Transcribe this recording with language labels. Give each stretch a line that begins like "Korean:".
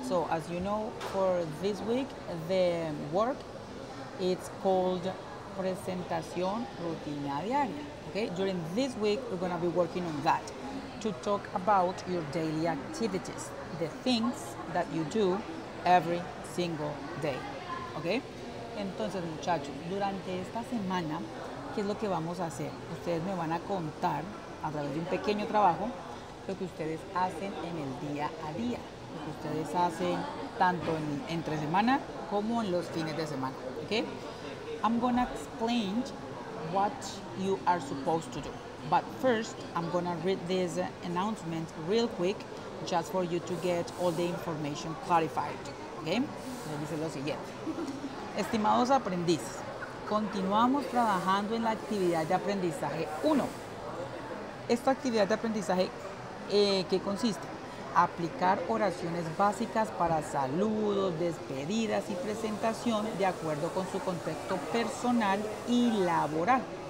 English: So as you know, for this week, the work, it's called Presentación Rutina Diaria. Okay, during this week, we're gonna be working on that to talk about your daily activities, the things that you do every single day, okay?
Spanish: Entonces, muchachos, durante esta semana, ¿qué es lo que vamos a hacer? Ustedes me van a contar, a través de un pequeño trabajo, lo que ustedes hacen en el día a día, lo que ustedes hacen tanto en entre semana como en los fines de semana, okay?
English: I'm gonna explain what you are supposed to do. But first, I'm gonna read this announcement real quick just for you to get all the information clarified, okay?
Spanish: Me dice lo siguiente. Estimados aprendices, continuamos trabajando en la actividad de aprendizaje 1. Esta actividad de aprendizaje, ¿qué consiste? Aplicar oraciones básicas para saludos, despedidas y presentación de acuerdo con su contexto personal y laboral.